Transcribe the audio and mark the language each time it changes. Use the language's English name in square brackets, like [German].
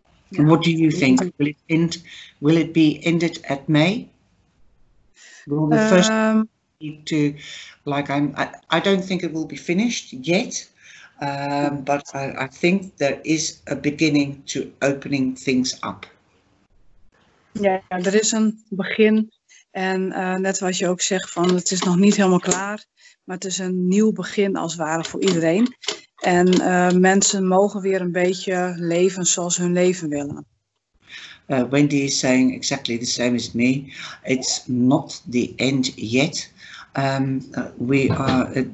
[English] Yeah. What do you think? Will it end? Will it be ended at May? Will the first need to, like, I don't think it will be finished yet, but I think there is a beginning to opening things up. [Dutch] Yeah, er is een begin. En net zoals je ook zegt, van het is nog niet helemaal klaar, maar het is een nieuw begin als het ware voor iedereen. En mensen mogen weer een beetje leven zoals hun leven willen. [English] Wendy is saying exactly the same as me. It's not the end yet. We are.